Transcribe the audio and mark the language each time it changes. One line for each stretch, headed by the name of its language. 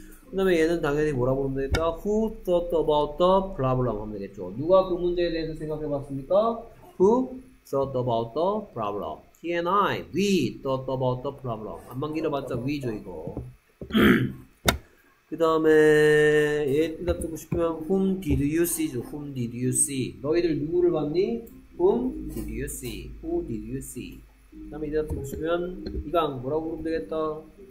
Korean: 그 다음에 얘는 당연히 뭐라고 보면 되겠다.
English: Who thought about the blah blah
Korean: 하면 되겠죠. 누가 그 문제에 대해서 생각해 봤습니까?
English: Who thought about the blah blah? He and I, we thought about the blah blah.
Korean: 안만 길어봤자 we죠 이거. 그 다음에 얘 대답 듣고 싶으면
English: Whom did you see
Korean: 죠.
English: Whom did you see?
Korean: 너희들 누구를 봤니?
English: Whom did you see? Who did you see?
Korean: 그 다음에 이 대답 듣고 싶으면 이강 뭐라고 부르면 되겠다.